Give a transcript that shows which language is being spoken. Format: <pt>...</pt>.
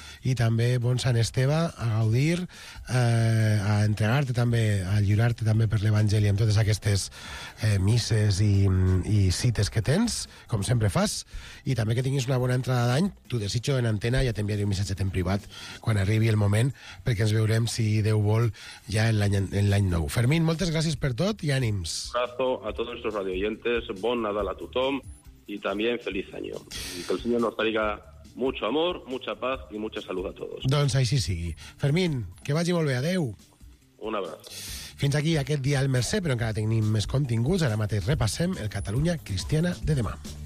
<ca>i també bon Sant Esteve, a gaudir, a entregar-te també, a lliurar-te també per l'Evangeli amb totes aquestes misses i cites que tens, com sempre fas, i també que tinguis una bona entrada d'any. T'ho desitjo en antena, ja t'enviaré un missatge en privat quan arribi el moment, perquè ens veurem, si Déu vol, ja en l'any nou. Fermín, moltes gràcies per tot i ànims.</ca> <es>Un abrazo</es> <ca>a tots els nostres radioyentes, bon Nadal a tothom i també feliç any.</ca> <es>I que el Senyor nos traiga mucho amor, mucha paz i mucha</es> <ca>salut a tots. Doncs així sigui. Fermín, que vagi molt bé. Adéu. Un abraç. Fins aquí aquest dia al Mercè, però encara tenim més continguts. Ara mateix repassem el Catalunya Cristiana de demà.</ca>